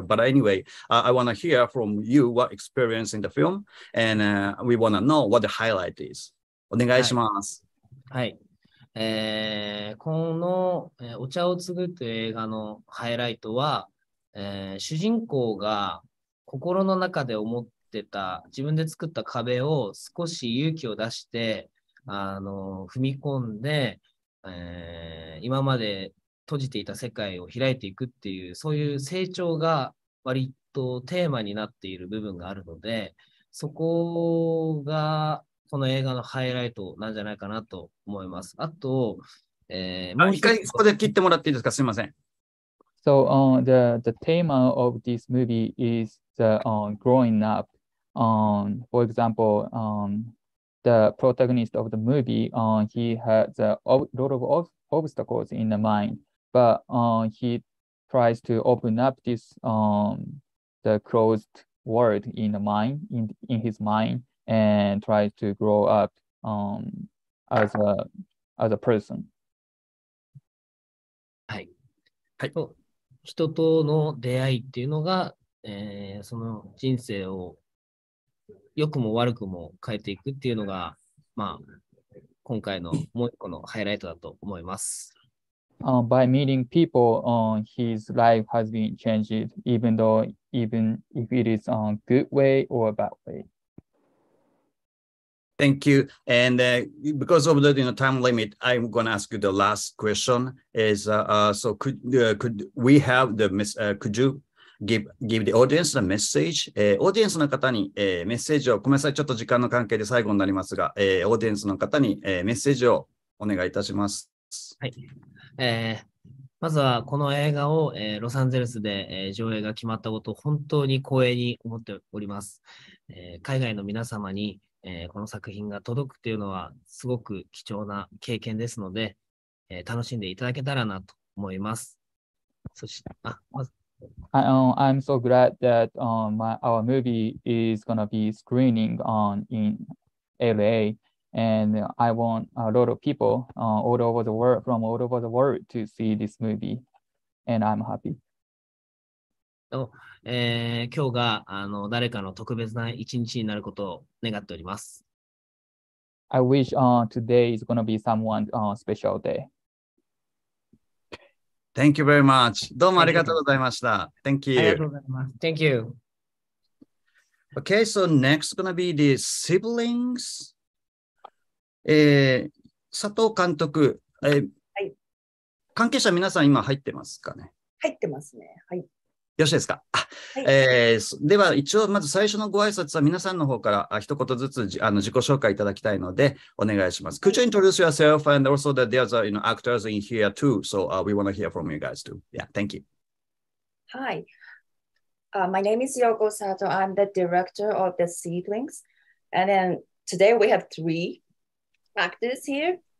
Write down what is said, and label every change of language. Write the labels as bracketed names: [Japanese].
[English] But anyway, I want to hear from you what experience in the film, and we want to know what the highlight is. [Japanese] お願いします。はい。はい、この、お茶を継ぐという映画のハイライトは、主人公が心の中で思ってた自分で作った壁を少し勇気を出して踏み込んで、今まで閉じていた世界を開いていくっていうそういう成長が割とテーマになっている部分があるのでそこがこの映画のハイライトなんじゃないかなと思います。あと、もう一回そこで切ってもらっていいですか。すいません。 [English] So the theme of this movie is the growing up. For example, the protagonist of the movie, he had a lot of obstacles in the mind, but he tries to open up this the closed world in the mind in his mind and tries to grow up as a person. Hi. Hi. [Japanese] 人との出会いっていうのが、その人生を良くも悪くも変えていくっていうのが、まあ、今回のもう一個のハイライトだと思います。 [English] By meeting people, his life has been changed, even though, even if it is on good way or bad way. Thank you. And because of the time limit, I'm going to ask you the last question. Is could we have the could you give the audience a message? [Japanese] Audience の方に、メッセージを、ごめんなさい、ちょっと時間の関係で最後になりますが、オーディエンスの方に、メッセージをお願いいたします。はい。まずはこの映画を、ロサンゼルスで、上映が決まったことを本当に光栄に思っております。海外の皆様に、この作品が届くというのはすごく貴重な経験ですので、楽しんでいただけたらなと思います。そしてまず、 [English] I'm so glad that our movie is gonna be screening in LA, and I want a lot of people all over the world from all over the world to see this movie, and I'm happy. [Japanese] 今日が誰かの特別な一日になることを願っております。 [English] I wish today is gonna be someone's special day. Thank you very much. [Japanese] どうもありがとうございました。 [English] Thank you. [Japanese] ありがとうございます。 [English] Thank you. Okay, so next gonna be the siblings. [Japanese] 佐藤監督、はい、関係者皆さん今入ってますかね。入ってますね。はい。よろしいですか。はい、では一応まず最初のご挨拶は皆さんの方から一言ずつ自己紹介いただきたいのでお願いします。 [English] Could you introduce yourself and also that there's a, you know, actors in here too, so we want to hear from you guys too. Yeah, thank you. Hi, my name is Yoko Sato. I'm the director of the Seedlings, and then today we have three actors here.